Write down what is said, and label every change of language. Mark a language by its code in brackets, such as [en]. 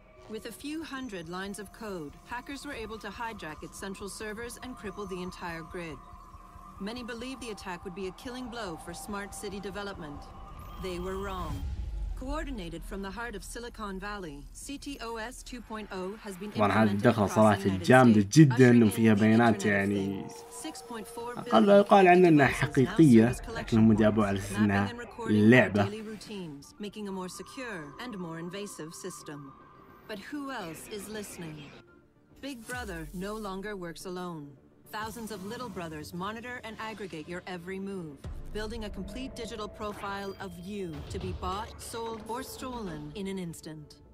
[en] With a few hundred lines of code, hackers were able to hijack its central servers and cripple the entire grid. Many believed the attack would be a killing blow for smart city development. They were wrong. Coordinated from the heart of Silicon Valley, CTOS 2.0 has been implemented across the United States, [ar] جداً وفيها بيانات يعني أقل ما يقال عنها أنها حقيقية لكن هم جابوا على أنها لعبة. [en] Making a more secure and more invasive system. But who else is listening? Big Brother no longer works alone. Thousands of little brothers monitor and aggregate your every move, building a complete digital profile of you to be bought, sold, or stolen in an instant.